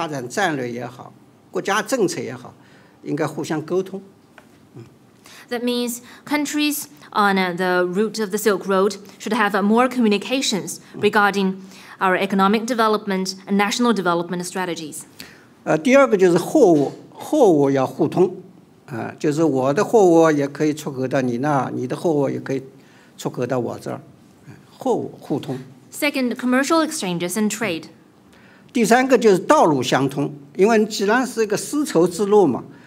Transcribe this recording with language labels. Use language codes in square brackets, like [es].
[zh] 也就是说，沿路国家对于我们经济发展的政策也好，对吧？经济发展战略也好，国家政策也好。应该互相沟通。 [en] That means countries on the route of the Silk Road should have more communications regarding our economic development and national development strategies. [zh] 第二个就是货物要互通，就是我的货物也可以出口到你那，你的货物也可以出口到我这儿，货物互通。 [en] Second, commercial exchanges and trade. [zh] 第三个就是道路相通，因为既然是一个丝绸之路嘛。